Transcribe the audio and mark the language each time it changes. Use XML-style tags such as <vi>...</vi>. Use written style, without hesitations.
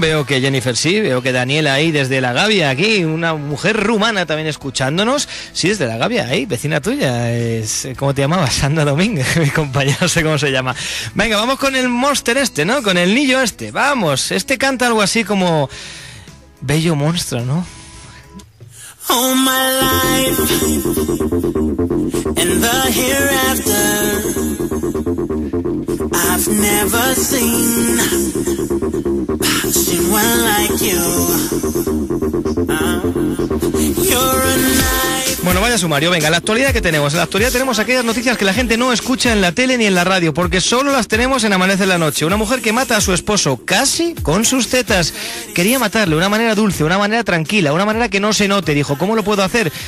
<es>Veo que Jennifer sí, veo que Daniela ahí desde La Gavia, aquí, una mujer rumana también escuchándonos. Sí, desde La Gavia, ahí, vecina tuya, es, ¿cómo te llamabas? Sandra Domínguez, mi compañero, no sé cómo se llama. Venga, vamos con el monster este, ¿no? Con el niño este, vamos. Este canta algo así como... bello monstruo, ¿no?</es> <en>All my life, and the hereafter, I've never seen someone like you. You're a knife.</en> <es>Bueno, vaya sumario, venga, la actualidad que tenemos. En la actualidad tenemos aquellas noticias que la gente no escucha en la tele ni en la radio, porque solo las tenemos en Amanece en la Noche. Una mujer que mata a su esposo casi con sus tetas. Quería matarle de una manera dulce, una manera tranquila, una manera que no se note. Dijo, ¿cómo lo puedo hacer?</es>